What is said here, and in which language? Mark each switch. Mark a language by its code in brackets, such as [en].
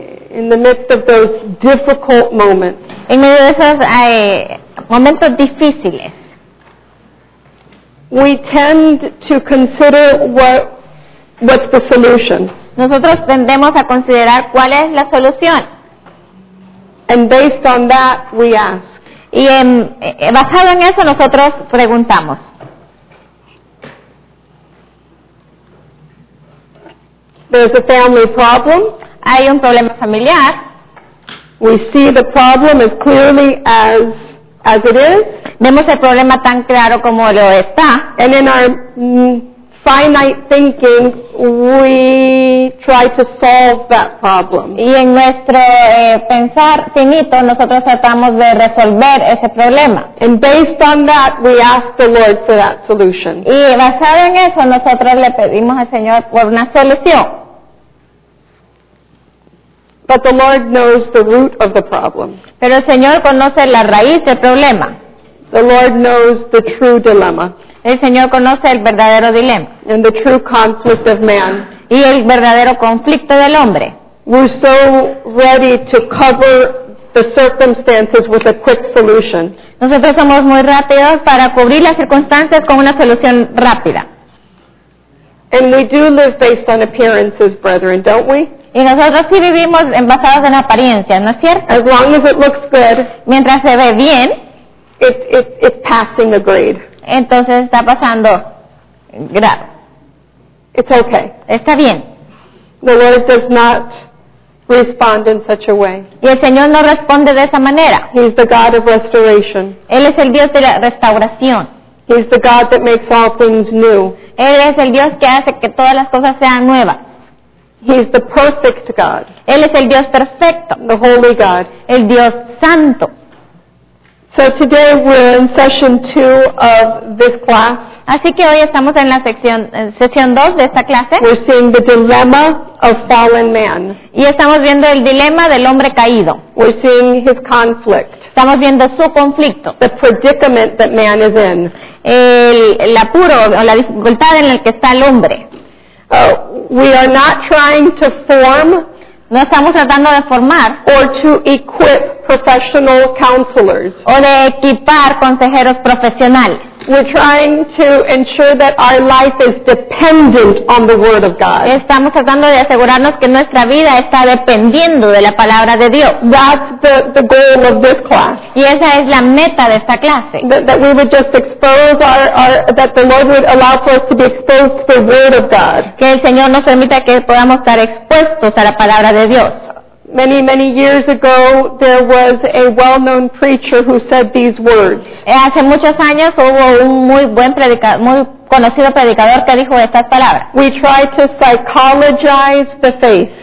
[en] In the midst of those difficult moments. [es] En medio de esos momentos difíciles. [en] We tend to consider what's the solution. [es] Nosotros tendemos a considerar cuál es la solución. [en] And based on that, we ask. [es] Y basado en eso, nosotros preguntamos. [en] There's a family problem. [es] Hay un problema familiar. [en] We see the problem as clearly as it is. [es] Vemos el problema tan claro como lo está. [en] And in our finite thinking, we try to solve that problem. [es] Y en nuestro pensar finito, nosotros tratamos de resolver ese problema. [en] And based on that, we ask the Lord for that solution. [es] Y basado en eso, nosotros le pedimos al Señor por una solución. [en] But the Lord knows the root of the problem. [es] Pero el Señor conoce la raíz del problema. [en] The Lord knows the true dilemma. [es] El Señor conoce el verdadero dilema. [en] And the true conflict of man. [es] Y el verdadero conflicto del hombre. [en] We're so ready to cover the circumstances with a quick solution. [es] Nosotros somos muy rápidos para cubrir las circunstancias con una solución rápida. [en] And we do live based on appearances, brethren, don't we? [es] Y nosotros sí vivimos basados en apariencias, ¿no es cierto? [en] As long as it looks good, [es] mientras se ve bien, [en] it's passing a grade. [es] Entonces está pasando grado. [en] It's okay. [es] Está bien. [en] The Lord does not respond in such a way. [es] Y el Señor no responde de esa manera. [en] He's the God of restoration. [es] Él es el Dios de la restauración. [en] He's the God that makes all things new. [es] Él es el Dios que hace que todas las cosas sean nuevas. [en] He's the perfect God. [es] Él es el Dios perfecto. [en] The holy God. [es] El Dios santo. [en] So today we're in session 2 of this class. [es] Así que hoy estamos en la sección 2 de esta clase. [en] We're seeing the dilemma of fallen man. [es] Y estamos viendo el dilema del hombre caído. [en] We're seeing his conflict. [es] Estamos viendo su conflicto. [en] The predicament that man is in. [es] El apuro o la dificultad en el que está el hombre. [en] We are not trying to form. [es] No estamos tratando de formar. [en] Or to equip professional counselors. [es] O de equipar consejeros profesionales. [en] We're trying to ensure that our life is dependent on the Word of God. [es] Estamos tratando de asegurarnos que nuestra vida está dependiendo de la palabra de Dios. [en] That's the goal of this class. [es] Y esa es la meta de esta clase. [en] That we would just expose that the Lord would allow for us to be exposed to the Word of God. [es] Que el Señor nos permita que podamos estar expuestos a la palabra de Dios. [en] Many, many years ago, there was a well-known preacher who said these words. [es] Hace muchos años hubo un muy buen predicador, muy conocido predicador que dijo estas palabras. [en] We try to psychologize the faith.